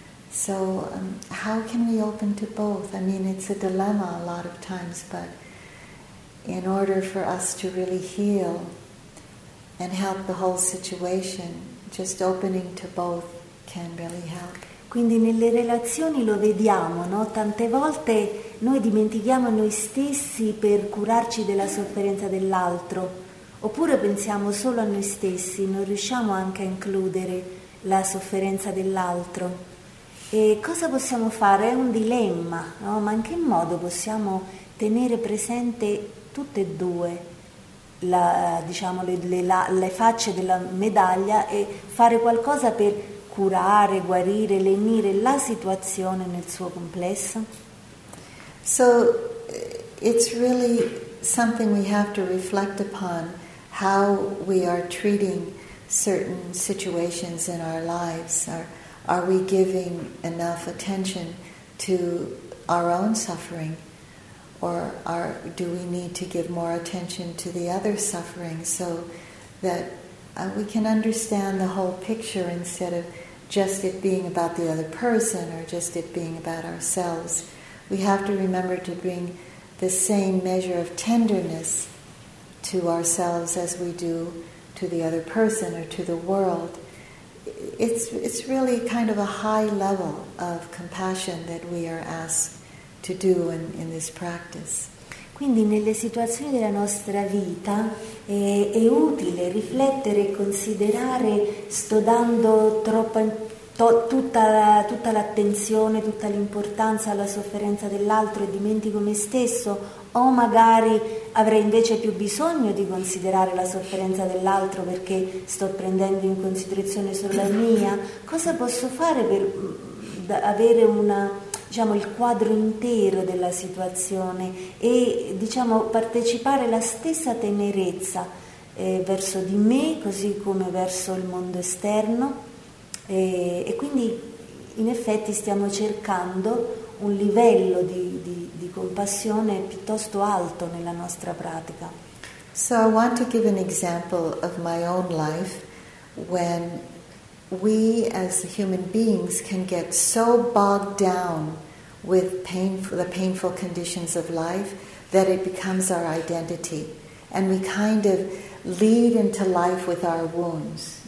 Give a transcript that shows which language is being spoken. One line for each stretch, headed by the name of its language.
English: So how can we open to both? I mean, it's a dilemma a lot of times, but in order for us to really heal and help the whole situation, just opening to both can really help.
Italian: Quindi nelle relazioni lo vediamo, no? Tante volte noi dimentichiamo noi stessi per curarci della sofferenza dell'altro. Oppure pensiamo solo a noi stessi, non riusciamo anche a includere la sofferenza dell'altro. E cosa possiamo fare? È un dilemma, no? Ma in che modo possiamo tenere presente tutte e due le facce della medaglia e fare qualcosa per curare, guarire, lenire la situazione nel suo complesso?
English: So, it's really something we have to reflect upon. How we are treating certain situations in our lives. Are we giving enough attention to our own suffering? Or do we need to give more attention to the other's suffering so that we can understand the whole picture instead of just it being about the other person or just it being about ourselves? We have to remember to bring the same measure of tenderness to ourselves as we do to the other person or to the world. It's really kind of a high level of compassion that we are asked to do in this practice.
Italian: Quindi nelle situazioni della nostra vita è utile riflettere e considerare sto dando tutta l'attenzione, tutta l'importanza alla sofferenza dell'altro e dimentico me stesso, o magari avrei invece più bisogno di considerare la sofferenza dell'altro perché sto prendendo in considerazione solo la mia. Cosa posso fare per avere il quadro intero della situazione e partecipare la stessa tenerezza verso di me così come verso il mondo esterno? E quindi in effetti stiamo cercando un livello di compassione piuttosto alto nella nostra pratica.
English: So I want to give an example of my own life when we as human beings can get so bogged down with the painful conditions of life that it becomes our identity and we kind of lead into life with our wounds.